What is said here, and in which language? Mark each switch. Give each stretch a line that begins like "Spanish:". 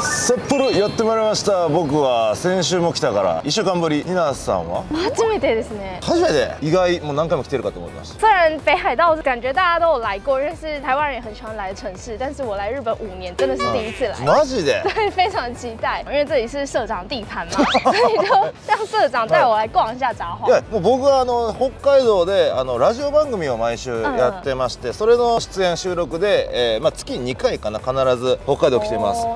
Japanese: 札幌やってまいりました。僕は先週も来たから1週間ぶり。ニナさんは初めてですね。初めて。意外、もう何回も来てるかと思います。
Chinese: 虽然北海道感觉大家都有来过，因为是台湾人也很喜欢来的城市，但是我来日本五年真的是第一次来。
Japanese: マジで。
Chinese: 对，非常期待，因为这里是社长地盘嘛，所以就让社长带我来逛一下札幌。
Japanese: いや、もう僕はあの北海道であのラジオ番組を毎週やってまして、それの出演収録で、まあ月2回かな必ず北海道来てます。